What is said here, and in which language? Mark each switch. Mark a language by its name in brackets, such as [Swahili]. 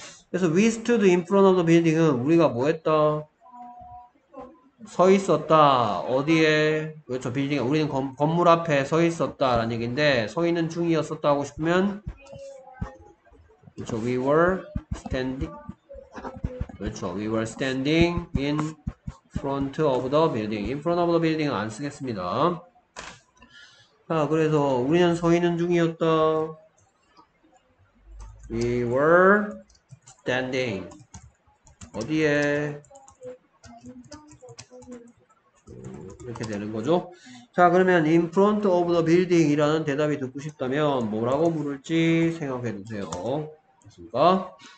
[Korean] 그래서 [English] we stood in front of the building [Korean] 은 우리가 뭐 했다? 서 있었다. 어디에? 그렇죠. 빌딩에 우리는 건물 앞에 서 있었다라는 얘기인데 서 있는 중이었었다 하고 싶으면 그렇죠. [English] we were standing [Korean] 그렇죠. [English] We were standing in front of the building. In front of the building은 [Korean] 안 쓰겠습니다. 자, 그래서 우리는 서 있는 중이었다. [English] We were standing. [Korean] 어디에? 이렇게 되는 거죠. 자, 그러면 [English] in front of the building [Korean] 이라는 대답이 듣고 싶다면 뭐라고 물을지 생각해 두세요. 맞습니까?